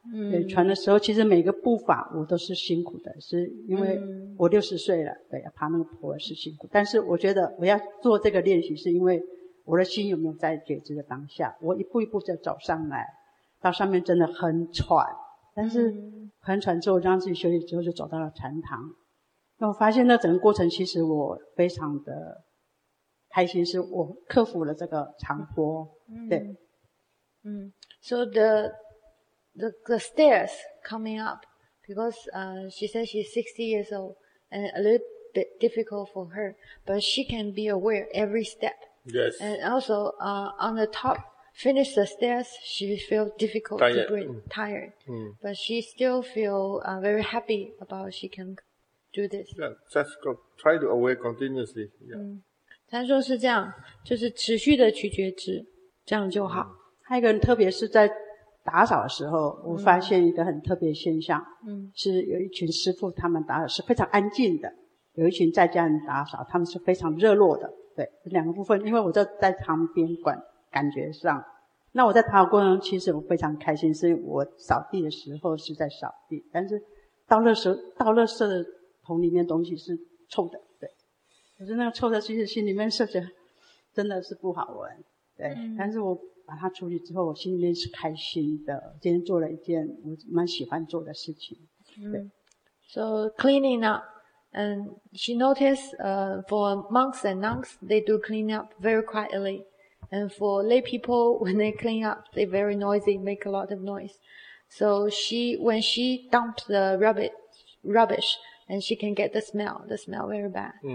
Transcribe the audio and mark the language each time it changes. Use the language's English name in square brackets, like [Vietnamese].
[Chinese] 对，喘的时候其实每个步伐我都是辛苦的，是因为我60岁了，对，爬那个坡是辛苦，但是我觉得我要做这个练习是因为我的心有没有在觉知的当下，我一步一步就走上来，到上面真的很喘，但是很喘之后让自己休息之后就走到了禅堂。那我发现那整个过程其实我非常的开心，是我克服了这个长坡。对。 [English] So the stairs coming up, because she says she's 60 years old and a little bit difficult for her, but she can be aware every step. Yes. And also on the top, finish the stairs, she feels difficult tired. To breathe, tired. But she still feels very happy about she can do this. Yeah, just go, try to aware continuously. Yeah. [Chinese] 禅说是这样，就是持续的去觉知，这样就好。还有一个人特别是在打扫的时候我发现一个很特别现象，是有一群师父他们打扫是非常安静的，有一群在家人打扫他们是非常热络的。对，两个部分，因为我就在旁边管，感觉上那我在打扫过程中其实我非常开心，是我扫地的时候是在扫地，但是到垃圾的桶里面东西是臭的。对，可是那个臭的其实心里面是觉得真的是不好闻。对，但是我把它处理之后我心里面是开心的，今天做了一件我蛮喜欢做的事情。对。 [English] So cleaning up, and she noticed, for monks and nuns, they do clean up very quietly. And for lay people, when they clean up, they're very noisy, make a lot of noise. So when she dumped the rubbish, and she can get the smell very bad.